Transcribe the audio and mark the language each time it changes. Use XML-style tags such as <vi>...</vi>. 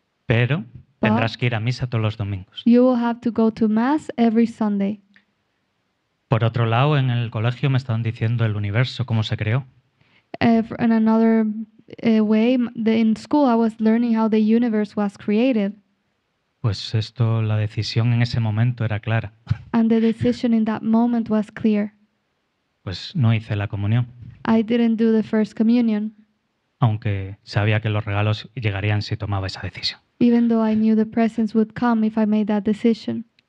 <es>Pero tendrás que ir a misa todos los domingos.</es> <en>You will have to go to mass every Sunday.</en> <es>Por otro lado, en el colegio me estaban diciendo el universo, cómo se creó.</es> <en>In another way, in school I was learning how the universe was created.</en> <es>Pues esto, la decisión en ese momento era clara.</es> <en>And the decision in that moment was clear.</en> <es>Pues no hice la comunión.</es> <en>I didn't do the first communion.</en> <es>Aunque sabía que los regalos llegarían si tomaba esa decisión.</es> <en>Even though I knew the presents would come if I made that decision.</en>